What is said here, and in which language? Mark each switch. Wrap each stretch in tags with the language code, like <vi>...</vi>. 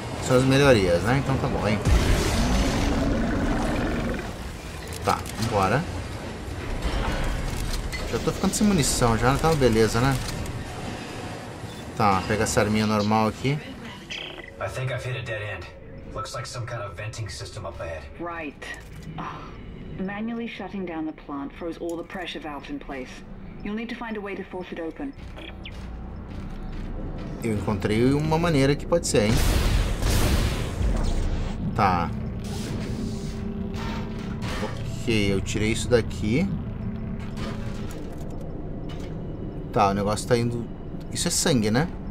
<pt>As melhorias, né? Então tá bom, hein? Tá, vambora. Já tô ficando sem munição, já não tá uma beleza, né? Tá, pega essa arminha normal aqui.</pt> <en>I think I've hit a dead end. Looks like some kind of venting system up ahead. Right. Manually shutting down the plant froze all the pressure valves in place. You'll need to find a way to force it open.</en> <pt>Eu encontrei uma maneira que pode ser, hein? Tá. Ok, eu tirei isso daqui. Tá, o negócio tá indo. Isso é sangue, né?</pt>